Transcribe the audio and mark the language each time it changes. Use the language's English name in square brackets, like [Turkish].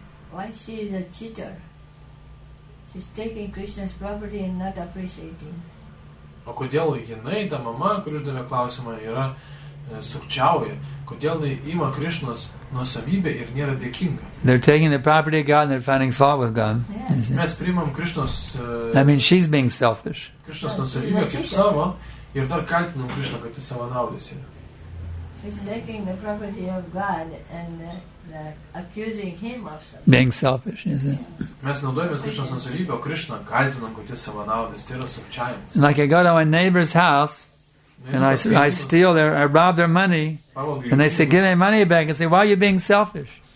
[English] Why she is a cheater? She's taking Krishna's property and not appreciating. [Lithuanian] O kodėl jinai, ta mama, kuri uždavė klausimą, yra sukčiauja? Kodėl jinai ima Krishnos nuosavybę ir nėra dėkinga? [English] They're taking the property of God and they're finding fault with God. Yes. [Lithuanian] Mes priimam Krishnos. [English] I mean, she's being selfish. [Lithuanian] Krishnos nuosavybę kaip savo. Ir dar kaltinam Krishna, kad jis savanaudis yra. [English] She's taking the property of God and accusing him of something. Being selfish, is it? [Lithuanian] Mes naudojamės Krishnos nuosavybę, o Krishna kaltinam, kad jis savanaudis. Tai yra sukčiavimas. [English] Like I go to my neighbor's house and I rob their money and they say, give me money back, and say, why are you being selfish?